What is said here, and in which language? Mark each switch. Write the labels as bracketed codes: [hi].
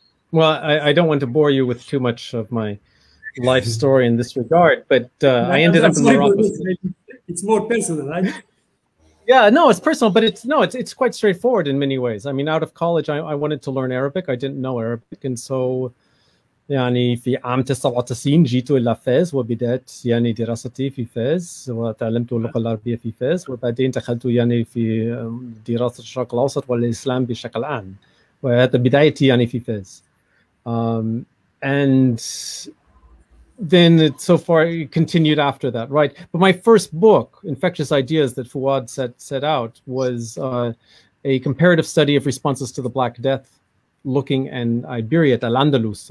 [en] Well, I don't want to bore you with too much of my life story in this regard, but I ended up in Morocco. It's more personal, right? Yeah, no, it's personal, but it's quite straightforward in many ways. I mean, out of college, I wanted to learn Arabic. I didn't know Arabic. And so, [ar] يعني في عام 99 جيت إلى فاز وبدأت يعني دراستي في فاز وتعلمت اللغة العربية في فاز وبعدين دخلت يعني في دراسة الشرق الأوسط والإسلام بشكل عام وهذا بدايتي يعني في فاز. [en] And then it so far it continued after that, right? But my first book, Infectious Ideas, that Fuad set out was a comparative study of responses to the Black Death, looking in Iberia at Al-Andalus.